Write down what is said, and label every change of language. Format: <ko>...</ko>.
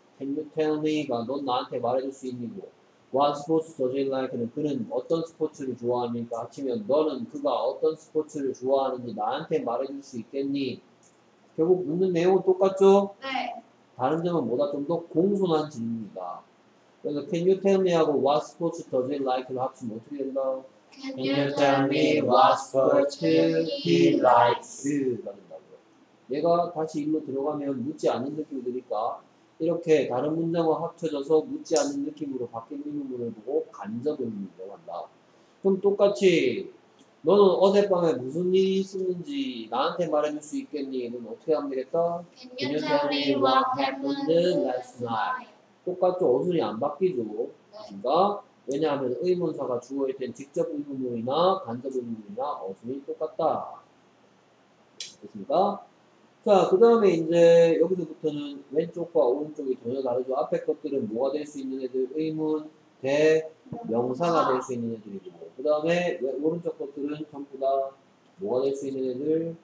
<en>Can you tell me</en> <ko>가 넌 나한테 말해줄 수 있니?</ko> <en>What sports does he like?</en> <ko>는 그는 어떤 스포츠를 좋아합니까? 합치면 너는 그가 어떤 스포츠를 좋아하는지 나한테 말해줄 수 있겠니? 결국 묻는 내용은 똑같죠? 네. 다른 점은 뭐다 좀 더 공손한 질문입니다. 그래서</ko> <en>can you tell me</en> <ko>하고</ko> <en>what sports does he like</en> <ko>를 합치면 어떻게 된다?</ko> <en>Can you tell me what sports he likes?</en> <ko>얘가 다시 일로 들어가면 묻지 않는 느낌이 드니까 이렇게 다른 문장과 합쳐져서 묻지 않는 느낌으로 바뀌는 문을 보고 간접을 묻는다고 한다. 그럼 똑같이 너는 어젯밤에 무슨 일이 있었는지 나한테 말해줄 수 있겠니? 는 어떻게 하면 되겠다?</ko> <en>Can you tell me what happened last night?</en> <ko>똑같죠. 어순이 안 바뀌죠. 그러니까 왜냐하면 의문사가 주어에 대한 직접 의문문이나 간접 의문문이나 어순이 똑같다. 됐습니까? 자, 그 다음에 이제 여기서부터는 왼쪽과 오른쪽이 전혀 다르죠. 앞에 것들은 뭐가 될 수 있는 애들? 의문, 대, 명사가 될 수 있는 애들이고, 그 다음에 오른쪽 것들은 전부 다 뭐가 될 수 있는 애들?</ko>